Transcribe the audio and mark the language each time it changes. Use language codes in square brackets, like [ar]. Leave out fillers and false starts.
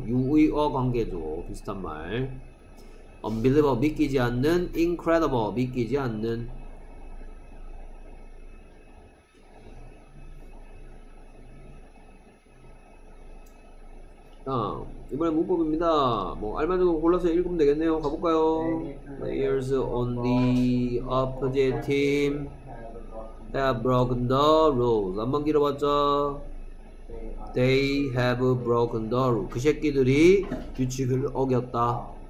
[ko] 유의어 관계죠. 비슷한 말. unbelievable, 믿기지 않는. incredible, 믿기지 않는. 아. 이번엔 문법입니다. 뭐 알맞은 거 골라서 읽으면 되겠네요. 가볼까요? [en] Players on the opposite team have broken the rules. [ko] 한번 길어봤자 [en] They have broken the rules. [ko] 그 새끼들이 규칙을 어겼다.